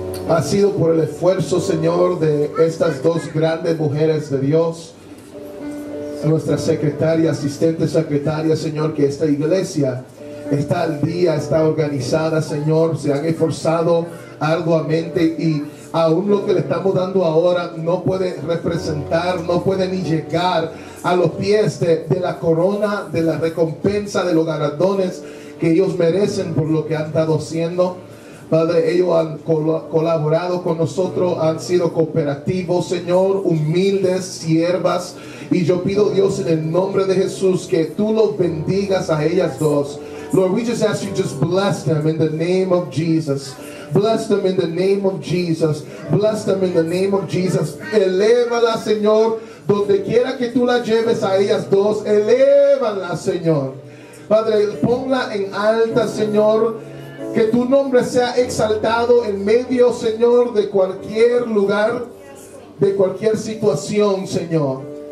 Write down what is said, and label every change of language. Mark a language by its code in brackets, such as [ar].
[es] Ha sido por el esfuerzo, Señor, de estas dos grandes mujeres de Dios, nuestra secretaria, asistente secretaria, Señor, que esta iglesia está al día, está organizada, Señor, se han esforzado arduamente y aún lo que le estamos dando ahora no puede representar, no puede ni llegar a los pies de la corona, de la recompensa, de los galardones que ellos merecen por lo que han estado haciendo. Padre, ellos han colaborado con nosotros, han sido cooperativos, Señor, humildes, siervas. Y yo pido, Dios, en el nombre de Jesús, que tú los bendigas a ellas dos. [en] Lord, we just ask you, just bless them in the name of Jesus. Bless them in the name of Jesus. Bless them in the name of Jesus. [es] Elévala, Señor, donde quiera que tú la lleves a ellas dos. Elévala, Señor. Padre, ponla en alta, Señor, que tu nombre sea exaltado en medio, Señor, de cualquier lugar, de cualquier situación, Señor.